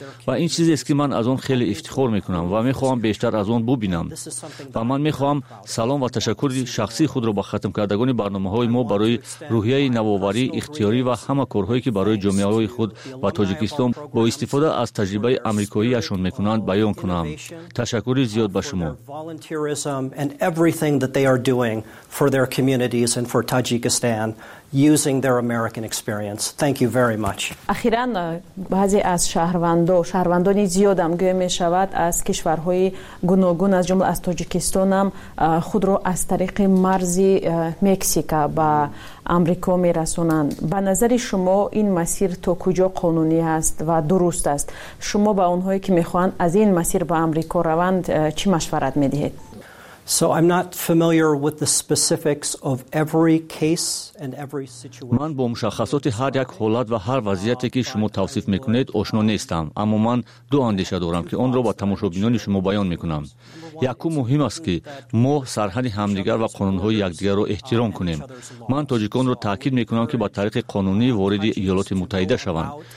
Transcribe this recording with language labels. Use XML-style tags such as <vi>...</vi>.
<tg>ва ин чизест, ки ман аз он хеле ифтихор мекунам ва мехоҳам бештар аз он бубинам. ва ман мехоҳам салом ва ташаккури шахсии худро ба хатмкардагони барномаҳои мо барои рӯҳияи навоварӣ, ихтиёрӣ ва ҳама корҳое, ки барои ҷомеаҳои худ ва тоҷикистон бо истифода аз таҷрибаи амрикоиашон мекунанд, баён кунам. ташаккури зиёд ба шумо.</tg> <en>Tourism and everything that they are doing for their communities and for Tajikistan using their American experience. Thank you very much.</en> <fa>اخیراً بعضی از شهروندان شهروندانی زیاد هم گویا میشود از کشورهای گوناگون از جمله از تاجیکستان هم خود را از طریق مرزی مکزیکا با آمریکا میرسونند. به نظر شما این مسیر تا کجا قانونی است و درست است؟ شما به اونهایی که میخوان از این مسیر به آمریکا روند چی مشورت میدهید؟</fa> <en>So I'm not familiar with the specifics of every case and every situation.</en> <fa>من با مشخصات هر یک حالت و هر وضعیتی که شما توصیف میکنید آشنا نیستم، اما من دو اندیشه دارم که آن را با تماشابینان شما بیان میکنم. یکم مهم است که ما سرحد همدیگر و قانونهای یکدیگر را احترام کنیم. من تاجیکان را تاکید میکنم که با طریق قانونی وارد ایالات متحده شوند.</fa>